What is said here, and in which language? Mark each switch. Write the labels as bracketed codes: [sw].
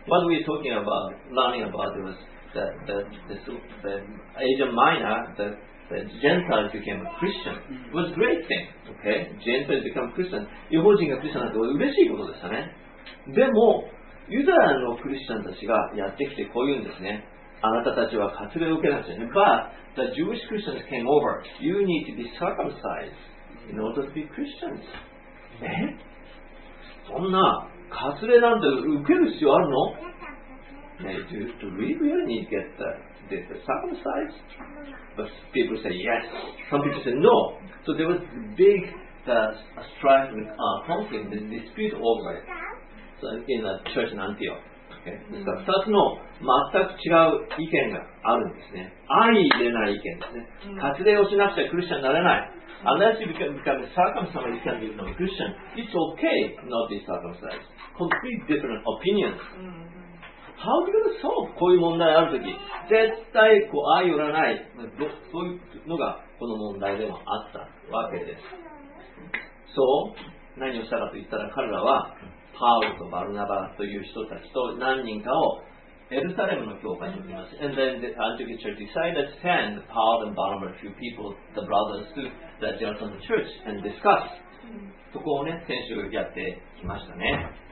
[en] What we're talking about, learning about it was the Asian minor, the Gentiles became a Christian. It was a great thing, okay? Gentiles become Christian. [ja] 異邦人がクリスチャンになったのは嬉しいことでしたね。でも、ユダヤのクリスチャンたちがやってきてこう言うんですね。あなたたちは割礼を受けなくちゃね。 [en] But the Jewish Christians came over. You need to be circumcised in order to be Christians. [ja] え? そんな割礼なんて受ける必要あるの? [en] ね、do you really need to get the circumcised? But people say yes. Some people say no. So there was big strife and conflict and dispute over it. So in the church in Antioch. Okay. [ja] 2つの全く違う意見があるんですね。愛入れない意見ですね。割礼をしなくちゃクリスチャンになれない。 [en] Unless you become circumcised, you can't become a Christian. It's okay not to be circumcised. Complete different opinions. How do you solve? [ja] こういう問題あるとき。絶対こう愛入らない。そういうのがこの問題でもあったわけです。 So, 何をしたかと言ったら彼らは、パウロとバルナバという人たちと何人かをエルサレムの教会に送ります。 [en] And then the Antioch church decided to send Paul and Barnabas, a few people, the brothers, to the Jerusalem church and discuss. [ja] そこをね、先週やってきましたね。